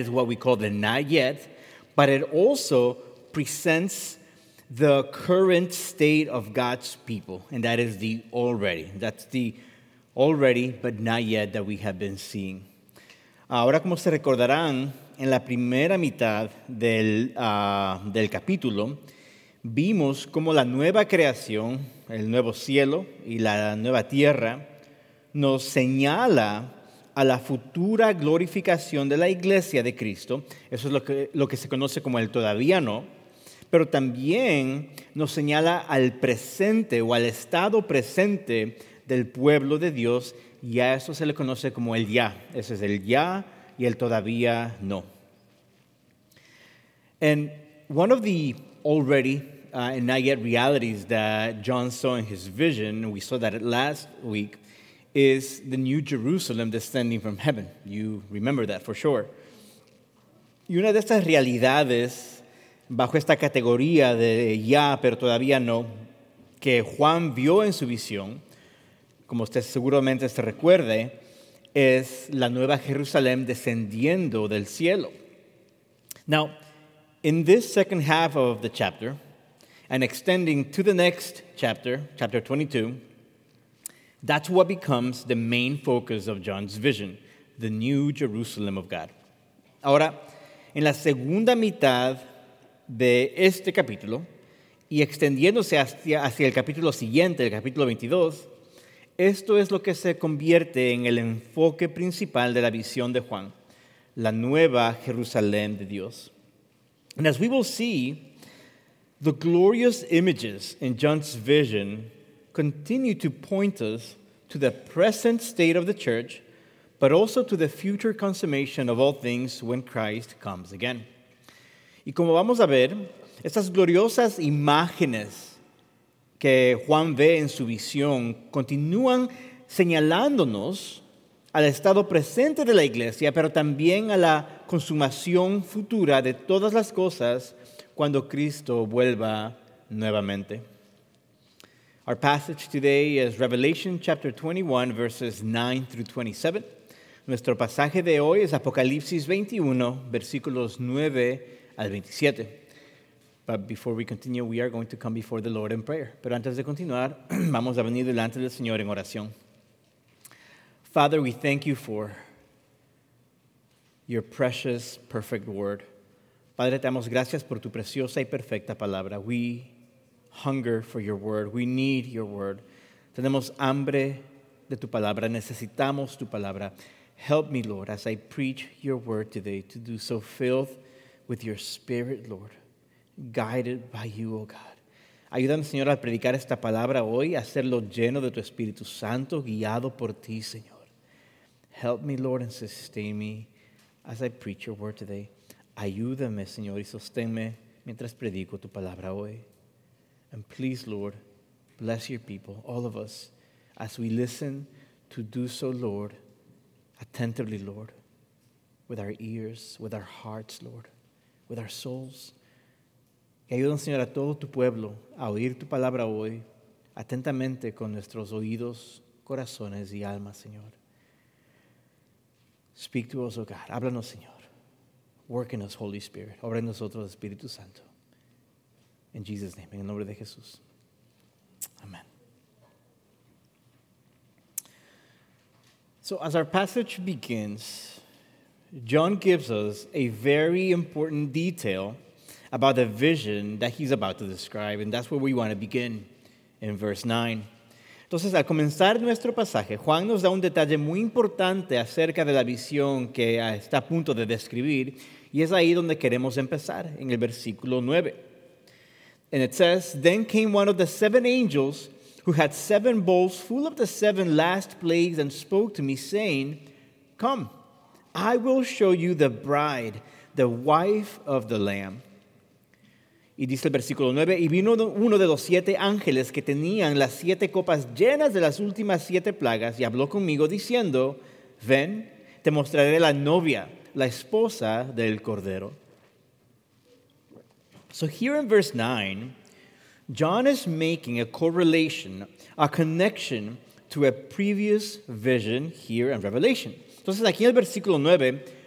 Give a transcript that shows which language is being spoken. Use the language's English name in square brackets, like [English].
[English] is what we call the not yet, but it also presents the current state of God's people, and that is the already. That's the already, but not yet, that we have been seeing. [Spanish] Ahora, como se recordarán, en la primera mitad del capítulo, vimos cómo la nueva creación, el nuevo cielo y la nueva tierra, nos señala a la futura glorificación de la iglesia de Cristo. Eso es lo que se conoce como el todavía no. Pero también nos señala al presente o al estado presente del pueblo de Dios, y a eso se le conoce como el ya. Ese es el ya y el todavía no. [English] And one of the already and not yet realities that John saw in his vision, we saw that last week, is the new Jerusalem descending from heaven. You remember that for sure. [Spanish] Y una de estas realidades bajo esta categoría de ya, pero todavía no, que Juan vio en su visión, como usted seguramente se recuerde, es la nueva Jerusalén descendiendo del cielo. [English] Now, in this second half of the chapter, and extending to the next chapter, chapter 22, that's what becomes the main focus of John's vision, the new Jerusalem of God. [Spanish] Ahora, en la segunda mitad de este capítulo, y extendiéndose hacia el capítulo siguiente, el capítulo 22, esto es lo que se convierte en el enfoque principal de la visión de Juan, la nueva Jerusalén de Dios. [English] And as we will see, the glorious images in John's vision continue to point us to the present state of the church, but also to the future consummation of all things when Christ comes again. [Spanish] Y como vamos a ver, estas gloriosas imágenes que Juan ve en su visión continúan señalándonos al estado presente de la iglesia, pero también a la consumación futura de todas las cosas cuando Cristo vuelva nuevamente. [English] Our passage today is Revelation chapter 21, verses 9 through 27. [Spanish] Nuestro pasaje de hoy es Apocalipsis 21, versículos 9 al 27. [English] But before we continue, we are going to come before the Lord in prayer. [Spanish] Pero antes de continuar, vamos a venir delante del Señor en oración. [English] Father, we thank you for your precious, perfect word. [Spanish] Padre, te damos gracias por tu preciosa y perfecta palabra. [English] We hunger for your word. We need your word. [Spanish] Tenemos hambre de tu palabra. Necesitamos tu palabra. [English] Help me, Lord, as I preach your word today, to do so filled with your spirit, Lord, guided by you, oh God. [Spanish] Ayúdame, Señor, al predicar esta palabra hoy, a hacerlo lleno de tu Espíritu Santo, guiado por ti, Señor. [English] Help me, Lord, and sustain me as I preach your word today. [Spanish] Ayúdame, Señor, y sosténme mientras predico tu palabra hoy. [English] And please, Lord, bless your people, all of us, as we listen to do so, Lord, attentively, Lord, with our ears, with our hearts, Lord, with our souls. [Spanish] Ayúdanos, Señor, a todo tu pueblo a oír tu palabra hoy atentamente con nuestros oídos, corazones y almas, Señor. [English] Speak to us, oh God. [Spanish] Háblanos, Señor. [English] Work in us, Holy Spirit. [Spanish] Obra en nosotros, Espíritu Santo. [English] In Jesus' name, [Spanish] en el nombre de Jesús. Amen. [English] So as our passage begins, John gives us a very important detail about the vision that he's about to describe, and that's where we want to begin in verse 9. [Spanish] Entonces, al comenzar nuestro pasaje, Juan nos da un detalle muy importante acerca de la visión que está a punto de describir, y es ahí donde queremos empezar, en el versículo 9. [English] And it says, "Then came one of the seven angels who had seven bowls full of the seven last plagues and spoke to me, saying, 'Come, I will show you the bride, the wife of the Lamb.'" [Spanish] Y dice el versículo 9, "Y vino uno de los siete ángeles que tenían las siete copas llenas de las últimas siete plagas y habló conmigo diciendo, 'Ven, te mostraré la novia, la esposa del Cordero.'" [English] So here in verse 9, John is making a correlation, a connection to a previous vision here in Revelation. [Spanish] Entonces, aquí en el versículo 9,